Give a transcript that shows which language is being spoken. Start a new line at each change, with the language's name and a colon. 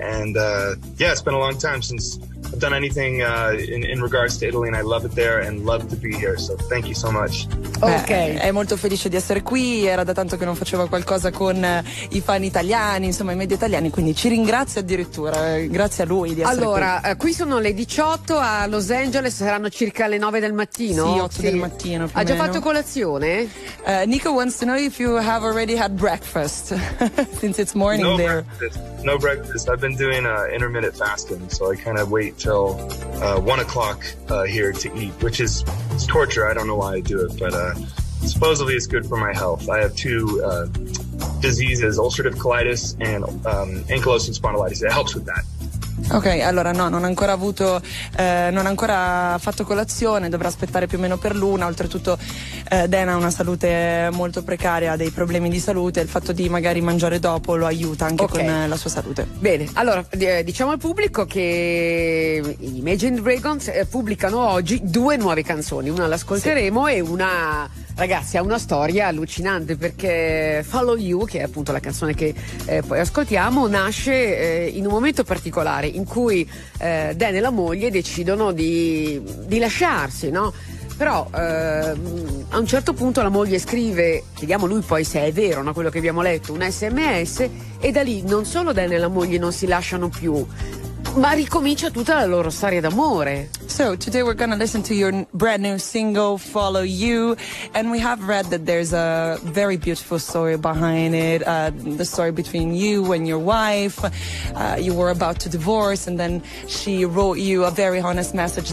English: And yeah, it's been a long time since I've done anything in regards to Italy, and I love it there and love to be here. So thank you so much.
Italian: Ok, è molto felice di essere qui. Era da tanto che non faceva qualcosa con i fan italiani, insomma i media italiani, quindi ci ringrazio addirittura. Grazie a lui di essere qui. Allora, qui sono le 18 a Los Angeles, saranno circa le 9 del mattino. Sì, 8 del mattino. Ha già fatto colazione?
English: Nico wants to know if you have already had breakfast since it's morning there. No breakfast. I've been doing intermittent fasting, so I kind of wait till 1 o'clock here to eat, which is it's torture. I don't know why I do it, but supposedly it's good for my health. I have two diseases, ulcerative colitis and ankylosing spondylitis. It helps with that.
Italian: Ok, allora no, non ha ancora avuto, non ha ancora fatto colazione, dovrà aspettare più o meno per l'una. Oltretutto Dan ha una salute molto precaria, ha dei problemi di salute, il fatto di magari mangiare dopo lo aiuta anche con la sua salute. Bene, allora diciamo al pubblico che gli Imagine Dragons pubblicano oggi due nuove canzoni, una l'ascolteremo e una... Ragazzi, ha una storia allucinante perché Follow You, che è appunto la canzone che poi ascoltiamo, nasce in un momento particolare in cui Dan e la moglie decidono di lasciarsi, no? Però a un certo punto la moglie scrive, chiediamo lui poi se è vero, no, quello che abbiamo letto, un SMS, e da lì non solo Dan e la moglie non si lasciano più, ma ricomincia tutta la loro storia d'amore.
English: So today we're gonna listen to your brand new single Follow You, and we have read that there's a very beautiful story behind it, the story between you and your wife. You were about to divorce and then she wrote you a very honest message.